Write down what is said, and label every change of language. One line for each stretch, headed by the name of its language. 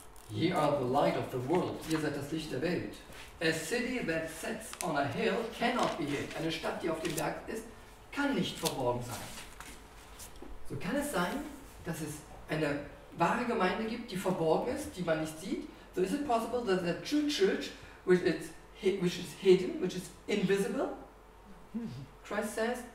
English: Ye are the light of the world.
German: Ihr seid das Licht der Welt.
English: A city that sits on a hill cannot be hid.
German: Eine Stadt, die auf dem Berg ist, kann nicht verborgen sein. So kann es sein, dass es eine wahre Gemeinde gibt, die verborgen ist, die man nicht sieht.
English: So is it possible that the true church, which is hidden, which is invisible? Christ says,